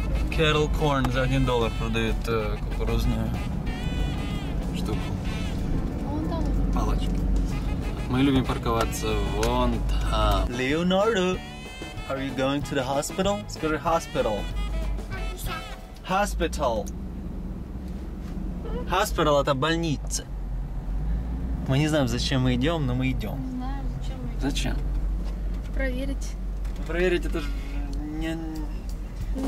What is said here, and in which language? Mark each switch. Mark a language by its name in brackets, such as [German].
[Russian] Kettle corn за $1 продают кукурузную штуку. Вон там. Палочки. Мы любим парковаться вон там. [English] Leonardo, are you going to the hospital? [Russian] Скажи hospital. [English] Hospital. [Russian] Hospital это больница. Мы не знаем, зачем мы идем, но мы идем. Не знаю, зачем мы идем. Зачем? Проверить. Проверить это же не... Но...